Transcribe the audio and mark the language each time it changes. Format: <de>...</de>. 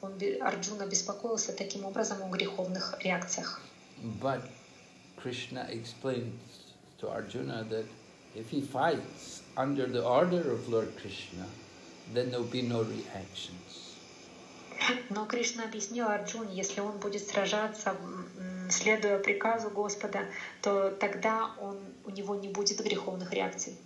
<ru>Он, Арджуна беспокоился таким образом о греховных реакциях.</ru> <en>But Krishna explains to Arjuna that if he fights under the order of Lord Krishna, then there'll be no reactions.</en> <ru>Но Кришна объяснил Арджуне, если он будет сражаться, следуя приказу Господа, то тогда он, у него не будет греховных реакций.</ru>